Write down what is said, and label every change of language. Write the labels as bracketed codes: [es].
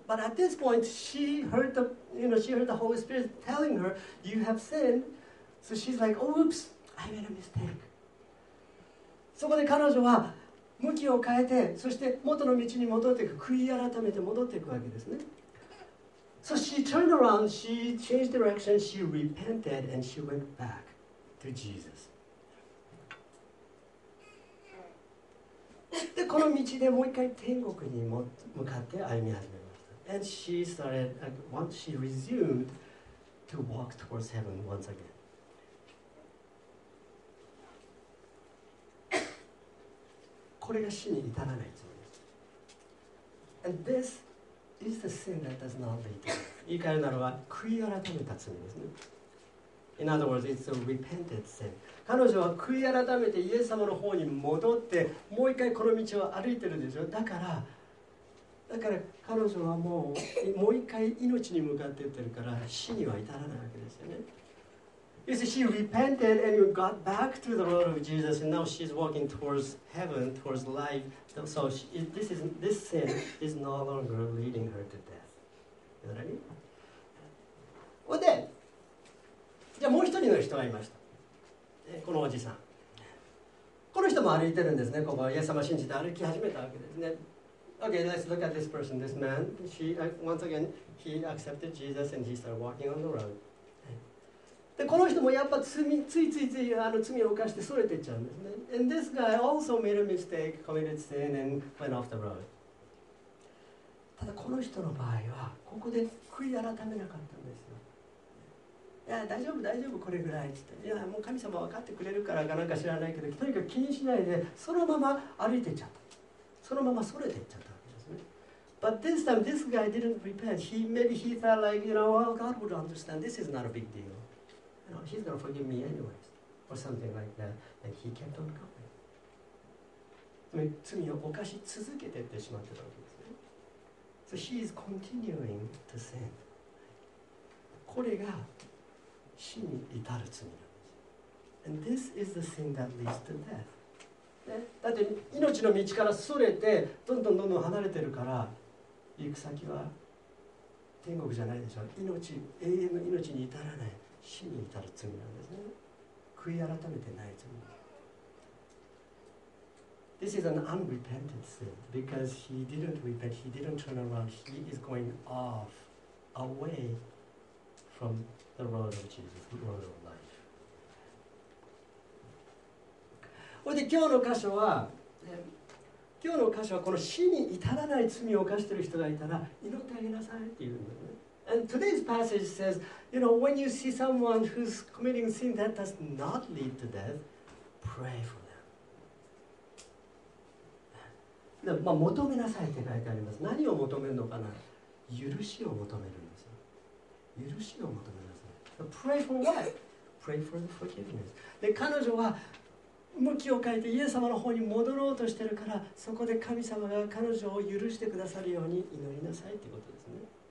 [en] But at this point, she heard the, you know, she heard the Holy Spirit telling her, you have sinned. So she's like, oh, oops, I made a mistake. [ja] そこで彼女は、向きを変えて、そして元の道に戻っていく、悔い改めて戻っていくわけですね。 [en] So she turned around, she changed direction, she repented, and she went back to Jesus. [ja] でこの道でもう一回天国に向かって歩み始めました。 [en] And she started, once she resumed to walk towards heaven once again. [ja] これが死に至らないつもりです。 [en] And this is the sin that does not lead to. [ja] 言い換えるならば、悔い改めた罪ですね。 [en] In other words, it's a repented sin. [ja] 彼女は悔い改めてイエス様の方に戻ってもう一回この道を歩いてるんですよ。だから彼女はもう一回命に向かっていってるから死には至らないわけですよね。 [en] You see, she repented and got back to the road of Jesus and now she's walking towards heaven, towards life. So this sin is no longer leading her to death. You know what I mean? Well, then, [ja] じゃあもう一人の人がいました。このおじさん。この人も歩いてるんですね。ここはイエス様信じて歩き始めたわけですね。 [en] Okay, let's look at this person, this man. He, once again, he accepted Jesus and he started walking on the road. [ja] でこの人もやっぱ罪ついついついあの罪を犯してそれていっちゃうんですね。 [en] And this guy also made a mistake, committed sin, and went off the road. [ja] ただこの人の場合はここで悔い改めなかったんですよ。いや大丈夫大丈夫これぐらいって、いやもう神様分かってくれるからかなんか知らないけど、とにかく気にしないでそのまま歩いていっちゃった。そのままそれていっちゃったわけですね。 [en] But this time this guy didn't repent. He maybe he felt like, you know, well, God would understand. This is not a big deal. You know, he's going to forgive me anyways, or something like that. And he kept on going. [ja] 罪を犯し続けていってしまってたわけですね。 [en] So he is continuing to sin. [ja] これが死に至る罪なんです。 [en] And this is the sin that leads to death.、 [ja] ね、だって命の道からそれてどんどんどんどん離れてるから行く先は天国じゃないでしょう。命、永遠の命に至らない。死に至る罪なんですね。悔い改めてない罪。 [en] This is an unrepentant sin because he didn't repent, he didn't turn around, he is going off, away from the road of Jesus, the road of life. [ja] で今日の箇所は、今日の箇所はこの死に至らない罪を犯している人がいたら祈ってあげなさいっていうんだよね。 [en] And today's passage says, you know, when you see someone who's committing sin that does not lead to death, pray for them. [ja] で、まあ、求めなさいって書いてあります。何を求めるのかな？許しを求めるんですよ。許しを求めなさい。 [en] Pray for what? Pray for the forgiveness. [ja] で、彼女は向きを変えてイエス様の方に戻ろうとしてるから、そこで神様が彼女を許してくださるように祈りなさいってことですね。